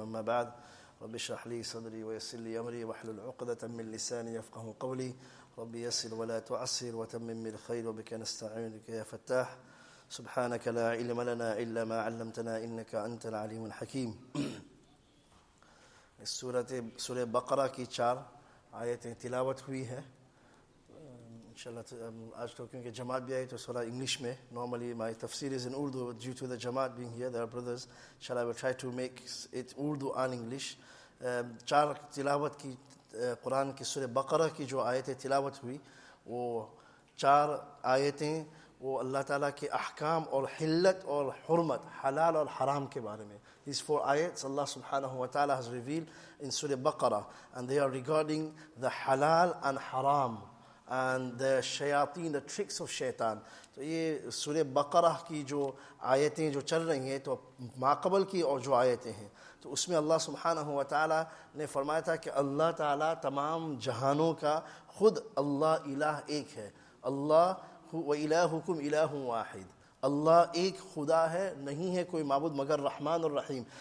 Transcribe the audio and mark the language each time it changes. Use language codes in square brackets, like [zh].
[ar] أما بعد، رب اشرح لي صدري ويسر لي أمري واحلل عقدة من لساني يفقه قولي. رب يسر ولا تعسر وتمم من الخير وبك نستعين يا فتاح. سبحانك لا علم لنا إلا ما علمتنا إنك أنت العليم الحكيم. [ur] سورة بقرة کی چار آیتیں تلاوت ہوئی ہیں انشاءاللہ. آج تو کیونکہ جماعت بھی آئی تو سورہ انگلش میں. [en] Normally my تفسیر is in Urdu, but due to the جماعت being here, there are brothers, shall I will try to make it Urdu and English. [ur] چار تلاوت کی قرآن کی سورہ بقرہ کی جو آیتیں تلاوت ہوئی وہ چار آیتیں وہ اللہ تعالیٰ کے احکام اور حلت اور حرمت حلال اور حرام کے بارے میں. [en] These four ayats Allah subhanahu wa ta'ala has revealed in Surah Baqarah, and they are regarding the halal and haram and the shayateen, the tricks of shaitan. [ur] تو یہ سورہ بقرہ کی جو آیتیں جو چل رہی ہیں تو ماقبل کی اور جو آیتیں ہیں تو اس میں اللہ سبحانہ و تعالی نے فرمایا تھا کہ اللہ تعالی تمام جہانوں کا خود اللہ الہ ایک ہے. اللہ [ar] وَإِلَاهُكُمْ إِلَاهٌ وَاحِدٌ. [ur] اللہ ایک خدا ہے، نہیں ہے کوئی معبود مگر رحمان الرحیم.